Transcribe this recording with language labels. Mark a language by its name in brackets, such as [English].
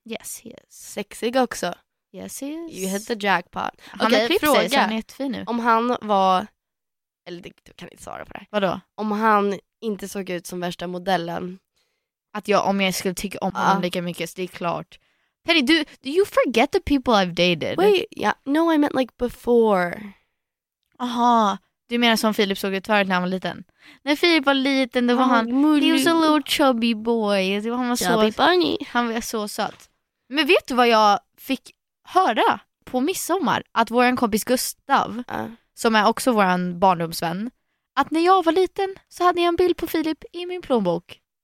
[English] Yes, he is. [Swedish] Sexig också. [English] Yes, he is. You hit the jackpot. [Swedish] Han okay, är klipsig, fråga. Så han är jättefin nu. Om han var... Eller du kan inte svara på det. Vadå? Om han inte såg ut som värsta modellen. Att jag, om jag skulle tycka om honom lika mycket, så det är klart... [English] Penny, do you forget the people I've dated? Wait, yeah. No, I meant like before. [Swedish] Aha, du menar som Filip såg ut förut när han var liten? När Filip var liten, då var han... [English] Mulig. He was a little chubby boy. [Swedish] Han var [English] chubby [Swedish] så, [English] bunny. [Swedish] Han var så söt. Men vet du vad jag fick höra på midsommar? Att vår kompis Gustav, som är också vår barndomsvän, att när jag var liten så hade jag en bild på Filip i min plånbok.